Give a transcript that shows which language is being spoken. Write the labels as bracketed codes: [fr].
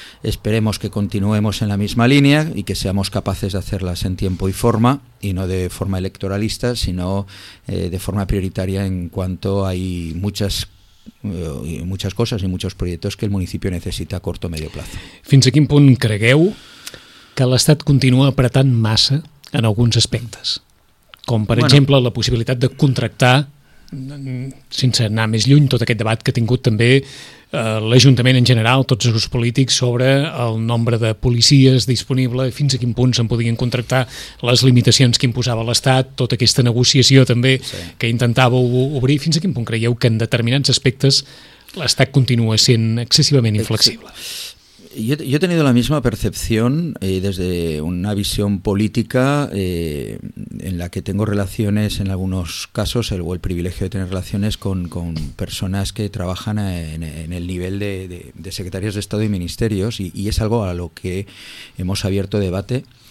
[es] Esperemos que continuemos en la misma línea y que seamos capaces de hacerlas en tiempo y forma, y no de forma electoralista, sino de forma prioritaria, en cuanto hay muchas cosas y muchos proyectos que el municipio necesita a corto o medio plazo. [ca] ¿Fins a quin punt cregueu que l'Estat continua apretant massa en alguns aspectes, com per exemple la possibilitat de contractar, sense anar més lluny, tot aquest debat que ha tingut també l'Ajuntament en general, tots els grups polítics, sobre el nombre de policies disponible, fins a quin punt se'n podien contractar, les limitacions que imposava l'Estat, tota aquesta negociació també que intentàveu obrir, fins a quin punt creieu que en determinats aspectes l'Estat continua sent excessivament inflexible? [es] Yo he tenido la misma percepción desde una visión política en la que tengo relaciones en algunos casos, el privilegio de tener relaciones con personas que trabajan en el nivel de secretarios de Estado y ministerios, y es algo a lo que hemos abierto debate.